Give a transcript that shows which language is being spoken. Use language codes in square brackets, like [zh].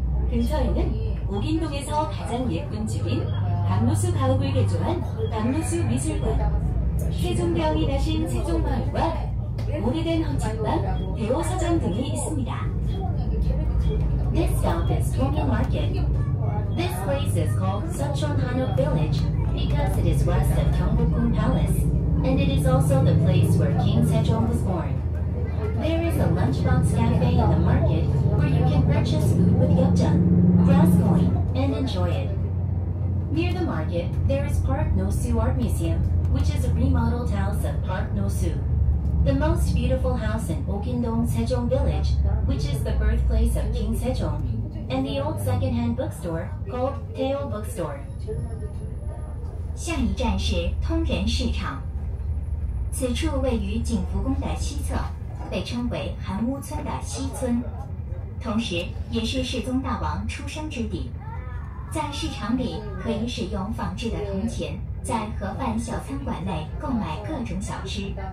[ko] 근처에는 옥인동에서 가장 예쁜 집인 박노수 가옥을 개조한 박노수 미술관, 세종대왕이 나신 세종마을과 오래된 헌책방, 대호서점 등이 있습니다. [en] This stop is Tongin Market. This place is called Seocheon Hanok Village because it is west of Gyeongbokgung Palace, and it is also the place where King Sejong was born. There is a lunchbox cafe in the market where you can purchase food with yeopjeon, brass coin, and enjoy it. Near the market, there is Park No-su Art Museum, which is a remodeled house of Park No-su. The most beautiful house in Okindong Sejong Village, which is the birthplace of King Sejong, and the old second-hand bookstore called Tae-o Bookstore. [zh] 下一站是通源市场。此处位于景福宫的西侧, 被称为韩屋村的西村, 同时也是世宗大王出生之地。在市场里可以使用仿制的铜钱在盒饭小餐馆内购买各种小吃。